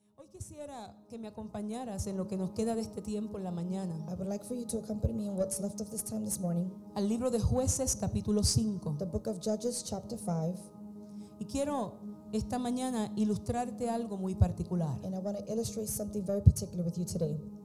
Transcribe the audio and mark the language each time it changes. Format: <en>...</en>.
<es>quisiera que me acompañaras en lo que nos queda de este tiempo en la mañana.</es> <en>I would like for you to accompany me in what's left of this time this morning.</en> <es>Al libro de Jueces capítulo 5.</es> <en>The book of Judges chapter 5.</en> <es>Y quiero esta mañana ilustrarte algo muy particular.</es> <en>And I want to illustrate something very particular with you today.</en>